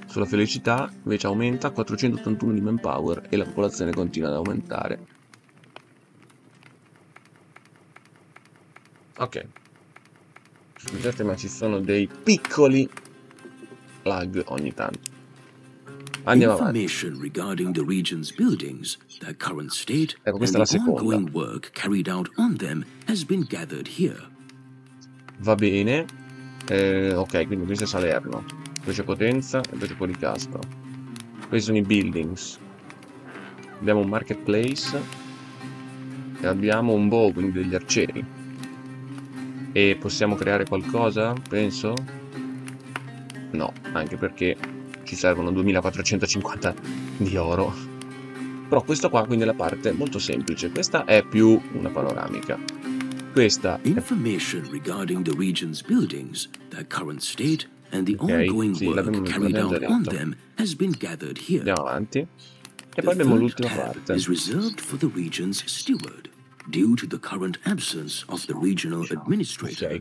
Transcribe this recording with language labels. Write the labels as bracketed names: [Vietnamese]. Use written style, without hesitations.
[Italian] La felicità invece aumenta, 481 di manpower e la popolazione continua ad aumentare. Ok, scusate ma ci sono dei piccoli lag ogni tanto. Andiamo avanti. [English] Information regarding the region's buildings, their current state, [Italian] ecco, questa è la seconda. [English] Ongoing work carried out on them has been gathered here. [Italian] Va bene, ok, quindi questo è Salerno. Questa Potenza e questo Policastro. Questi sono i buildings. Abbiamo un marketplace. E abbiamo un bow, quindi degli arcieri. E possiamo creare qualcosa, penso? No, anche perché ci servono 2450 di oro. Però questa qua quindi è la parte molto semplice. Questa è più una panoramica. Questa è... [English] Information regarding the region's buildings, their current state. And the ongoing work carried out on them has been gathered here. [Italian] Andiamo avanti. E poi abbiamo l'ultima parte. [English] Is reserved for the region's steward due to the current absence of the regional administrator.